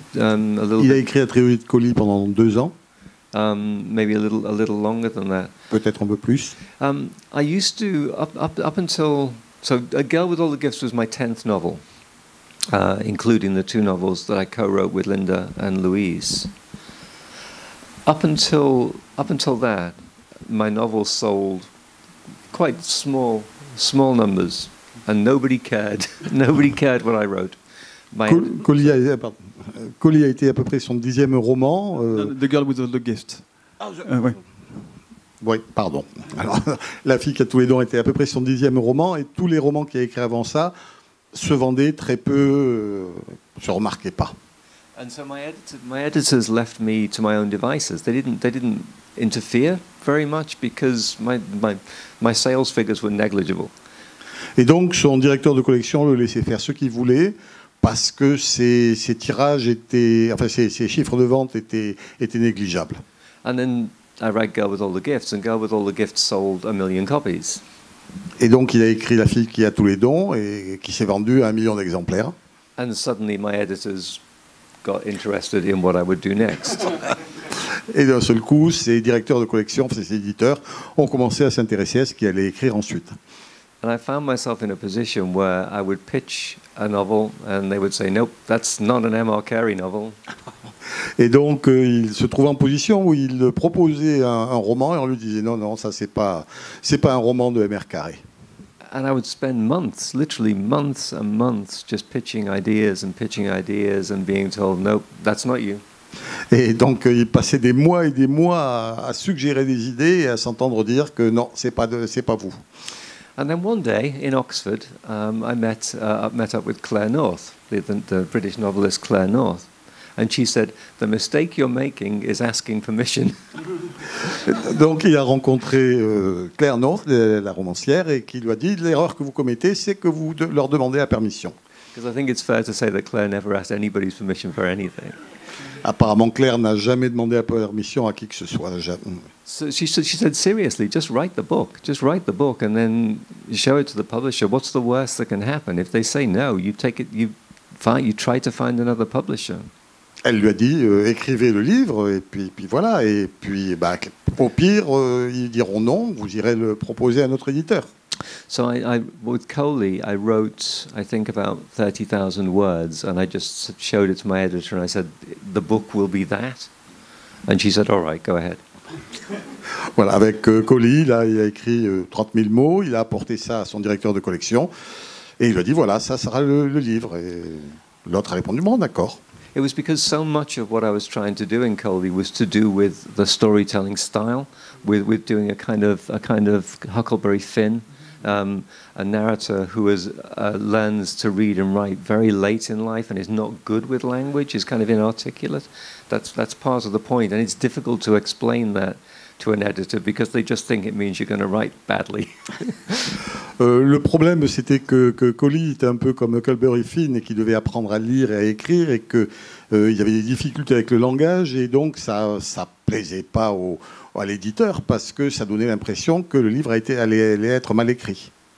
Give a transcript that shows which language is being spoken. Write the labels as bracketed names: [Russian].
[French] Il a écrit la trilogie de Colly pendant 2 ans. [English] Maybe a little longer than that. [French] Peut-être un peu plus. [English] I used to up until so A Girl with All the Gifts was my 10th novel, including the two novels that I co-wrote with Linda and Louise. Up until that, my novels sold quite small numbers, and nobody cared. Nobody cared what I wrote. [French] Colli a été à peu près son 10e roman. [English] The Girl with the Gift. [French] Oui, pardon. Alors, La fille qui a tous les dons était à peu près son 10e roman, et tous les romans qu'il a écrits avant ça se vendaient très peu, se remarquaient pas. [English] And so my editors left me to my own devices. They didn't interfere very much because my sales figures were negligible. [French] Et donc son directeur de collection le laissait faire ce qu'il voulait parce que ses tirages étaient, enfin ses chiffres de vente étaient négligeables. [English] And then I read Girl with All the Gifts, and Girl with All the Gifts sold 1 million copies. [French] Et donc il a écrit La fille qui a tous les dons et qui s'est vendue 1 million d'exemplaires. [English] And suddenly my editors got interested in what I would do next. [French] Et d'un seul coup, ses directeurs de collection, ses éditeurs, ont commencé à s'intéresser à ce qu'il allait écrire ensuite. [English] And I found myself in a position where I would pitch a novel and they would say, nope, that's not an M.R. Carey novel. [French] Et donc, il se trouvait en position où il proposait un roman et on lui disait, non, ça c'est pas un roman de M.R. Carey. [English] And I would spend months, literally months and months, just pitching ideas and being told, nope, that's not you. [French] Et donc, il passait des mois et des mois à suggérer des idées et à s'entendre dire que non, c'est pas vous. [English] And then one day in Oxford, I met up with Claire North, the British novelist Claire North, and she said, "The mistake you're making is asking permission." [French] Donc il a rencontré Claire North, la romancière, et qui lui a dit, "L'erreur que vous commettez, c'est que vous leur demandez la permission." [English] Because I think it's fair to say that Claire never asked anybody's permission for anything. [French] Apparemment, Claire n'a jamais demandé la permission à qui que ce soit. [English] So she said, seriously, just write the book. Just write the book and then show it to the publisher. What's the worst that can happen? If they say no, you take it, you try to find another publisher. [French] Elle lui a dit, écrivez le livre et puis voilà. Et puis, bah, au pire, ils diront non, vous irez le proposer à notre éditeur. [English] So I with Coley, I wrote, I think, about 30,000 words and I just showed it to my editor and I said, the book will be that. And she said, all right, go ahead. [French] Voilà, avec Coli, là, il a écrit 30 000 mots, il a apporté ça à son directeur de collection, et il lui a dit, voilà, ça sera le livre. Et l'autre a répondu, bon, d'accord. [English] It was because so much of what I was trying to do in Coli was to do with the storytelling style, with doing a kind of Huckleberry Finn, a narrator who learns to read and write very late in life and is not good with language, is kind of inarticulate. That's part of the point, and it's difficult to explain that to an editor because they just think it means you're going to write badly. [French] Le problème, c'était que Coli était un peu comme Huckleberry Finn et qu'il devait apprendre à lire et à écrire et que il y avait des difficultés avec le langage et donc ça plaisait pas à l'éditeur parce que ça donnait l'impression que le livre allait être mal écrit.